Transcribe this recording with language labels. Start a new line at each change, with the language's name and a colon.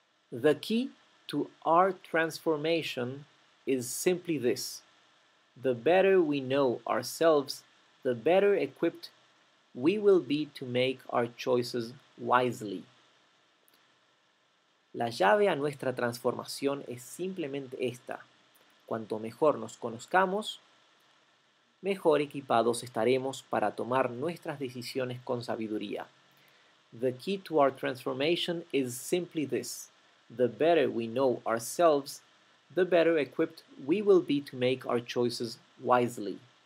English: The key to our transformation is simply this. The better we know ourselves, the better equipped we will be to make our choices wisely.
Spanish: La llave a nuestra transformación es simplemente esta. Cuanto mejor nos conozcamos, mejor equipados estaremos para tomar nuestras decisiones con sabiduría.
English: The key to our transformation is simply this. The better we know ourselves, the better equipped we will be to make our choices wisely.